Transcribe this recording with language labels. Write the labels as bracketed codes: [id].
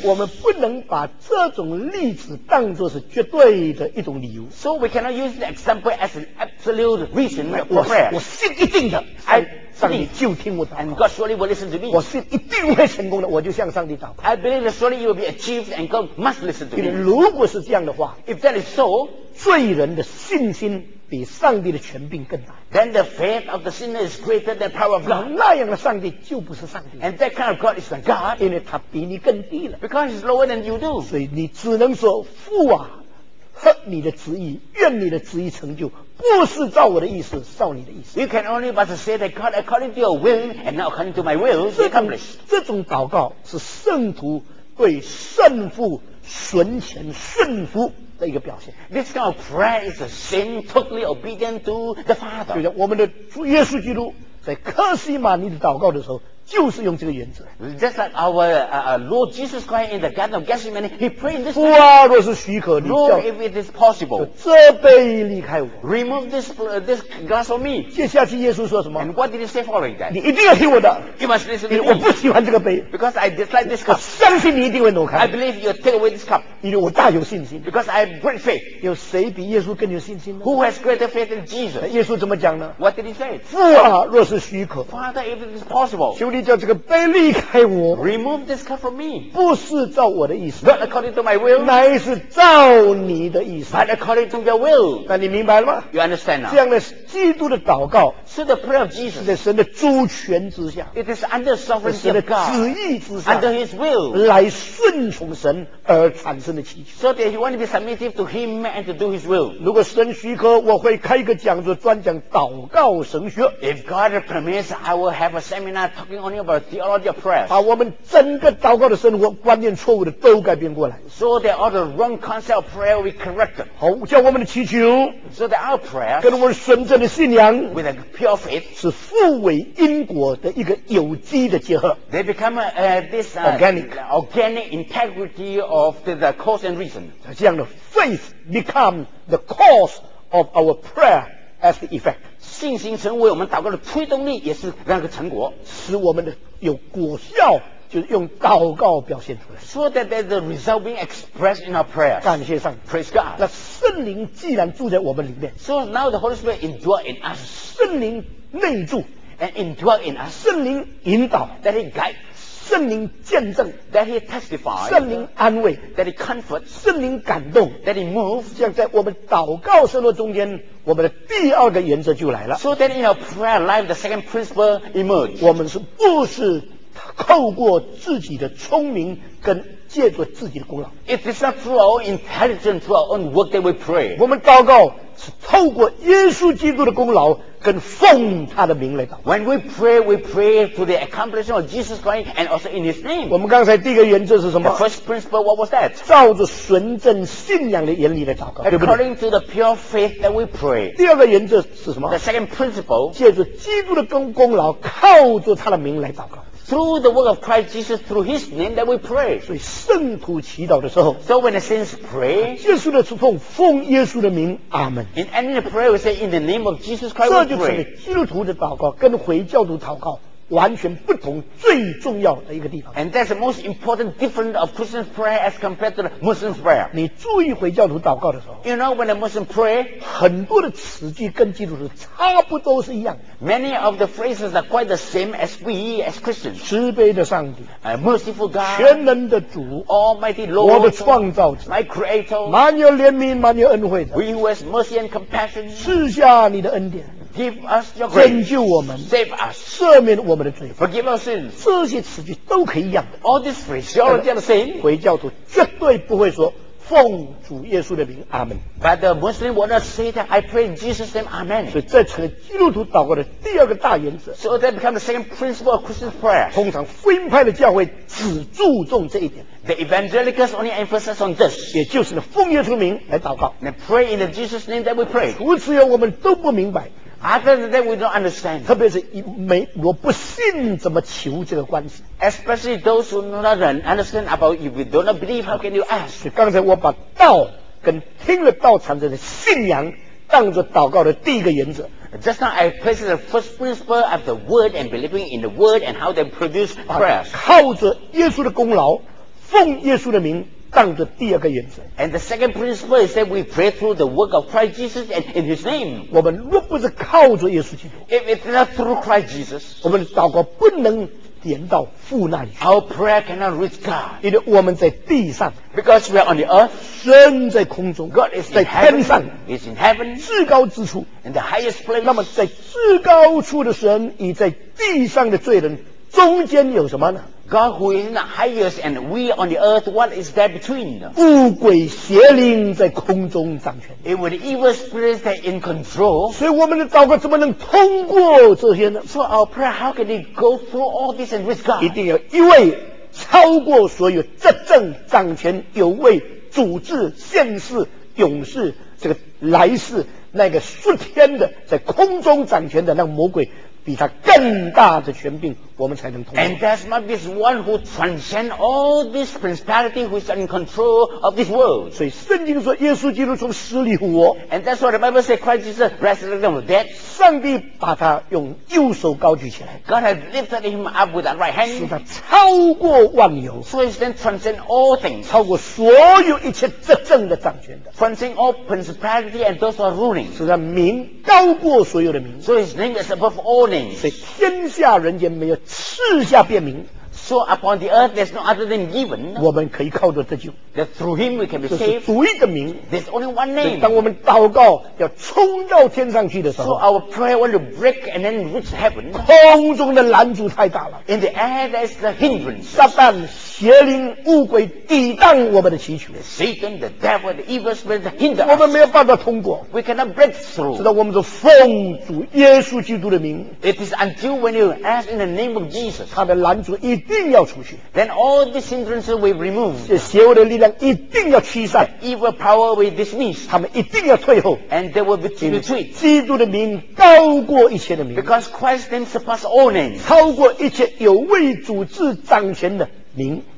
[zh] 我们不能把这种例子当作是绝对的一种理由。 [en] So we cannot use the example as an absolute reason for prayer. [zh] 我信一定的。上帝就听我祷告。 [en] And God surely will listen to me. [zh] 我是一定会成功的，我就向上帝祷告。 [en] I believe that surely you will be achieved, and God must listen to me. [zh] 如果是这样的话 [en] ，If that is so, [zh] 罪人的信心比上帝的权柄更大。 [en] Then the faith of the sinner is greater than the power of God. [zh] 那样的上帝就不是上帝。 [en] And that kind of God is not God. [zh] 因为他比你更低了。 [en] Because he's lower than you do. [zh] 所以你只能说父啊，合你的旨意，愿你的旨意成就。不是照我的意思，照你的意思。 [en] You can only but say that God according to your will and not according to my will is accomplished. [zh] 这种祷告是圣徒对圣父纯全顺服的一个表现。 [en] This kind of prayer is a sin totally obedient to the Father. [zh] 就像我们的主耶稣基督在克西玛尼的祷告的时候，就是用这个原则。 [en] Just like our Lord Jesus Christ in the Garden of Gethsemane, He prayed in this way. [zh] 父啊，若是许可，你叫 [en] Lord, if it is possible, [zh] 这杯离开我。 [en] Remove this this glass from me. [zh] 接下去耶稣说什么？ [en] And what did He say following that? [zh] 你一定要听我的。 [en] You must listen to me. [zh] 我不喜欢这个杯。 [en] Because I dislike this cup. [zh] 我相信你一定会挪开。 [en] I believe you take away this cup. [zh] 因为我大有信心。 [en] Because I have great faith. [zh] 有谁比耶稣更有信心呢？ [en] Who has greater faith than Jesus? [zh] 耶稣怎么讲呢？ [en] What did He say? [zh] 父啊，若是许可。 [en] Father, if it is possible. [zh] 求你叫这个杯离开我。 [en] Remove this cup from me. [zh] 不是照我的意思。 [en] Not according to my will. [zh] 乃是照你的意思。 [en] But according to your will. [zh] 那你明白了吗？ [en] You understand now. [zh] 这样的基督的祷告。 [en] So the prayer of Jesus. [zh] 在神的主权之下。 [en] It is under sovereignty of God. [zh] 在神的旨意之下。 [en] Under his will. [zh] 来顺从神而产生的祈求。 [en] So that you want to be submissive to him and to do his will. [zh] 如果神许可，我会开一个讲座专讲祷告神学。 [en] If God permits, I will have a seminar talking only about theology of prayer. [zh] 把我们整个祷告的生活观念错误的都改变过来。 [en] So that all the wrong concept of prayer will be corrected. [zh] 好，叫我们的祈求。 [en] So that our prayer. [zh] 跟我们纯正的信仰。 [en] With a pure faith. [zh] 是互为因果的一个有机的结合。 [en] They become organic integrity of the cause and reason. [zh] 这样的 [en] faith become the cause of our prayer as the effect. [zh] 信心成为我们祷告的推动力，也是那个成果，使我们的有果效，就是用祷告表现出来。 [en] So that there's a result being expressed in our prayers. [zh] 感谢上帝 [en] ，Praise God. [zh] 那圣灵既然住在我们里面 [en] ，So now the Holy Spirit indwells in us. [zh] 圣灵内住 [en] ，and indwells in us. [zh] 圣灵引导 [en] ，that He guides. [zh] 圣灵见证 [en] ，that He testifies. [zh] 圣灵安慰 [en] ，that He comforts. [zh] 圣灵感动 [en] ，that He moves. [zh] 这样在我们祷告生活中间。我们的第二个原则就来了。 [en] So then in your prayer life, the second principle emerged. [zh] 我们是不是透过自己的聪明跟借助自己的功劳 [en] ？It is not through our intelligence, through our own work that we pray. [zh] 我们祷告是透过耶稣基督的功劳跟奉他的名来祷告。 [en] When we pray to the accomplishment of Jesus Christ and also in His name. [zh] 我们刚才第一个原则是什么 [en] ？The first principle, what was that? [zh] 照着纯正信仰的原理来祷告，对不对 [en] ？According to the pure faith that we pray. [zh] 第二个原则是什么 [en] ？The second principle, [zh] 借助基督的功劳，靠着他的名来祷告。 [en] Through the work of Christ Jesus, through His name that we pray. [zh] 所以圣徒祈祷的时候 [en] ，So when the saints pray, [zh] 耶稣的祝福，奉耶稣的名，阿门。 [en] In any prayer, we say in the name of Jesus Christ. [zh] 这就成为基督徒的祷告，跟回教徒祷告完全不同，最重要的一个地方。 [en] And that's the most important difference of Christian prayer as compared to the Muslim prayer. [zh] 你注意回教徒祷告的时候 [en] ，You know when the Muslim pray, [zh] 很多的词句跟基督徒差不多是一样。 [en] Many of the phrases are quite the same as we as Christians. [zh] 慈悲的上帝 [en] ，Merciful God， [zh] 全能的主 [en] ，Almighty Lord， [zh] 我的创造者 [en] ，My Creator， [zh] 满有怜悯，满有恩惠的 [en] ，We who has mercy and compassion， [zh] 赐下你的恩典。 [en] Give us your grace. [zh] 拯救我们 [en] ，Save us. [zh] 赦免我们的罪 [en] ，Forgive our sins. [zh] 这些词句都可以一样的。 [en] All these phrases, all the same. [zh] 回教徒绝对不会说奉主耶稣的名，阿门。 [en] But the Muslim will not say that. I pray in Jesus' name, Amen. [zh] 所以这成了基督徒祷告的第二个大原则。 [en] So that becomes the second principle of Christian prayer. [zh] 通常福音派的教会只注重这一点。 [en] The evangelicals only emphasize on this. [zh] 也就是呢，奉耶稣名来祷告。 [en] And pray in the Jesus' name that we pray. [zh] 除此以外，我们都不明白。 [en] Other than that, we don't understand. [zh] 特别是没我不信怎么求这个关系。 [en] Especially those who do not understand about if we do not believe, how can you ask? [zh] 刚才我把道跟听了道产生的信仰当作祷告的第一个原则。 [en] Just now I placed the first principle of the word and believing in the word and how they produce prayers. [zh] 靠着耶稣的功劳，奉耶稣的名。当着第二个原则 [en] and the second principle is that we pray through the work of Christ Jesus and in His name [zh] 我们若不是靠着耶稣基督 [en] if it's not through Christ Jesus [zh] 我们祷告不能点到父那里去 [en] our prayer cannot reach God [zh] 因为我们在地上 [en] because we are on the earth [zh] 神在空中 [en] God is [zh] 在天上 [en] is in heaven [zh] 至高之处 [en] in the highest place [zh] 那么在至高处的神与在地上的罪人中间有什么呢 [en] God who is in the highest and we on the earth, what is that between? [zh] 乌鬼邪灵在空中掌权。 [en] It was evil spirits that in control. [zh] 所以我们的祷告怎么能通过这些呢 [en] ？So our prayer, how can it go through all this and reach God? [zh] 一定要一位超过所有执政掌权有位主治现世永世这个来世那个数天的在空中掌权的那个魔鬼。比他更大的权柄我们才能通过 [en] And there must be one who transcends all this principality who is in control of this world [zh] 所以圣经说耶稣基督从死里复活 [en] And that's what the Bible says Christ Jesus resurrected from the dead [zh] 上帝把他用右手高举起来 [en] God has lifted him up with a right hand [zh] 使他超过万有 [en] So he then transcends all things [zh] 超过所有一切执政的掌权的 [en] Transcends all principality and those who are ruling [zh] 使他名高过所有的名 [en] So his name is above all [zh] 所以天下人间没有四下辨明。 [en] So upon the earth, there's no other than given. [zh] 我们可以靠着这句。 [en] That through him we can be saved. [zh] 这是独一的名。 [en] There's only one name. [zh] 当我们祷告要冲到天上去的时候。 [en] So our prayer want to break and then reach heaven. [zh] 空中的拦阻太大了。 [en] In the air, there's the hindrance. [zh] 撒旦、邪灵、恶鬼抵挡我们的祈求。 [en] Satan, the devil, the evil spirit hinder us. [zh] 我们没有办法通过。 [en] We cannot break through. [zh] 直到我们是奉主耶稣基督的名。 [en] It is until when you ask in the name of Jesus. [zh] 他的拦阻一定要出去。 [en] Then all these hindrances will be removed. [zh] 这邪恶的力量一定要驱散。 [en] The evil power will dismiss. [zh] 他们一定要退后。 [en] And they will be to retreat. [zh] 基督的名高过一切的名。 [en] Because Christ's name surpasses all names. [zh] 超过一切有为主治掌权的名。